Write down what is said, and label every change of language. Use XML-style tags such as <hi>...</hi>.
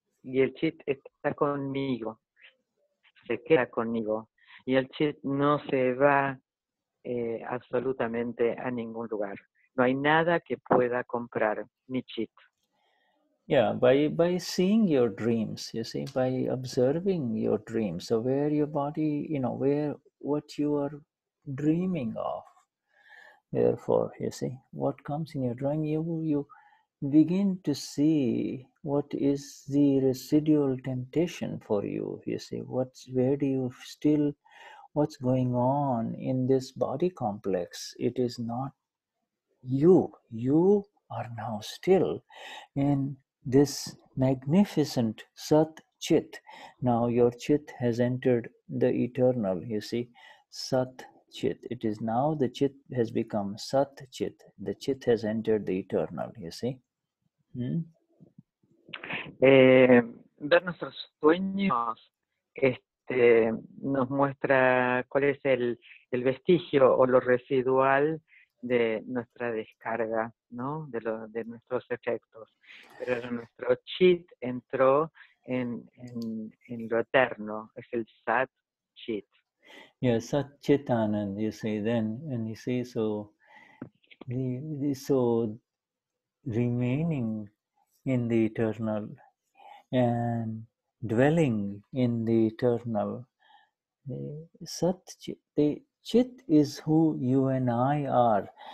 <es>Y el chit está conmigo, se queda conmigo, y el chit no se va absolutamente a ningún lugar. No hay nada que pueda comprar mi chit.</es> <en>Yeah, by seeing your dreams, you see, by observing your dreams, so where your body, you know, where what you are dreaming of. Therefore, you see, what comes in your dream, you begin to see what is the residual temptation for you. You see, what's going on in this body complex? It is not you. You are now still in this magnificent Sat Chit. Now your Chit has entered the eternal, you see, Sat Chit. It is now the Chit has become Sat Chit. The Chit has entered the eternal, you see.</en> <es>Ver nuestros sueños nos muestra cuál es el vestigio o lo residual de nuestra descarga, ¿no? De nuestros efectos. Pero nuestro chit entró en lo eterno, es el sat chit.</es> <en>Yeah, sat chitanand, you see, then, and you see, so, so remaining in the eternal and dwelling in the eternal, the sat chit, the chit is who you and I are.</en>